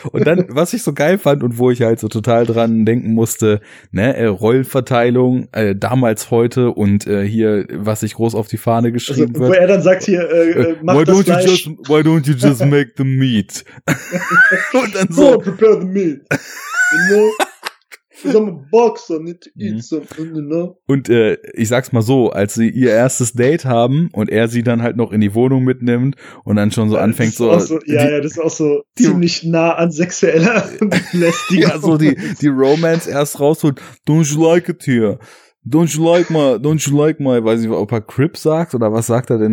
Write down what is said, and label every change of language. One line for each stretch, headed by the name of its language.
German: Und dann, was ich so geil fand und wo ich halt so total dran denken musste, ne, Rollenverteilung, damals, heute und hier, was ich groß auf die Fahne geschrieben also, wird. Wo er dann sagt hier,
English: Why don't you just make the meat?
German: Und dann so.
English: Prepare the meat. You know? I'm a boxer, need to eat something, you know?
German: Und ich sag's mal so, als sie ihr erstes Date haben und er sie dann halt noch in die Wohnung mitnimmt und dann schon so ja, anfängt so. Das ist auch so ziemlich nah an sexueller Belästigung. Ja, so die Romance erst rausholt.
English: Don't you like it here? Don't you like my,
German: weiß ich, ob er Crip sagt oder was sagt er denn?